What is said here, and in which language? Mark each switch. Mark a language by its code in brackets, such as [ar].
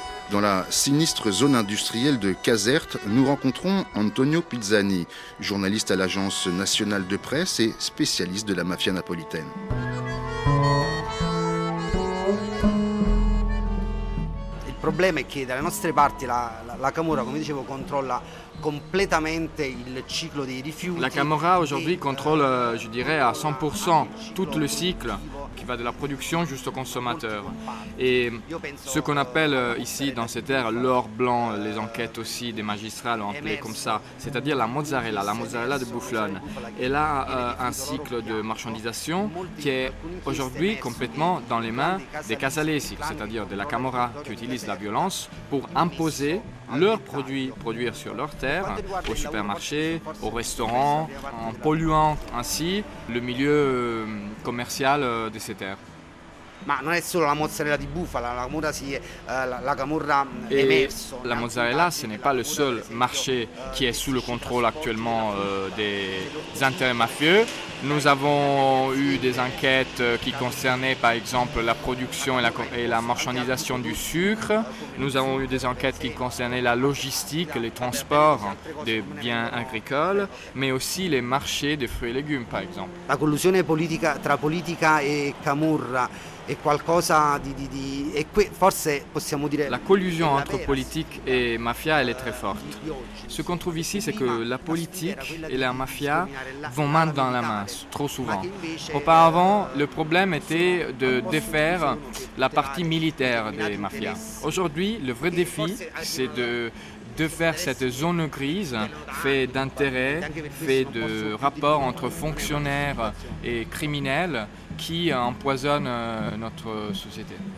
[fr] Dans la sinistre zone industrielle de Caserte, nous rencontrons Antonio Pizzani, journaliste à l'Agence nationale de presse et spécialiste de la mafia napolitaine. [it] Il problema è che dalle nostre parti la camorra, come dicevo, controlla completamente il ciclo dei rifiuti. [fr] La camorra aujourd'hui contrôle, je dirais, à 100% tout le cycle qui va de la production jusqu'au consommateur. Et ce qu'on appelle ici dans cette ère l'or blanc, les enquêtes aussi des magistrats l'ont appelé comme ça, c'est-à-dire la mozzarella de Bufflone. Elle a un cycle de marchandisation qui est aujourd'hui complètement dans les mains des casalesi, c'est-à-dire de la camorra qui utilise la violence pour imposer leurs produits, produire sur leur terre, au supermarché, au restaurant, en polluant ainsi le milieu commercial de ces terres. [it] ma non è solo la mozzarella di bufala, la camorra si la camorra emerso. [fr] La mozzarella, ce n'est pas le seul marché qui est sous le contrôle actuellement des intérêts mafieux. Nous avons eu des enquêtes qui concernaient par exemple la production et la marchandisation du sucre. Nous avons eu des enquêtes qui concernaient la logistique, les transports des biens agricoles, mais aussi les marchés de fruits et légumes par exemple. [it] La collusione politica tra politica e camorra è qualcosa di e qui forse possiamo dire [fr] la collusion entre politique et mafia elle est très forte. Ce qu'on trouve ici c'est que la politique et la mafia vont main dans la main trop souvent. Auparavant, le problème était de défaire la partie militaire des mafias. Aujourd'hui, le vrai défi c'est de faire cette zone grise faite d'intérêts, faite de rapports entre fonctionnaires et criminels qui empoisonne notre société.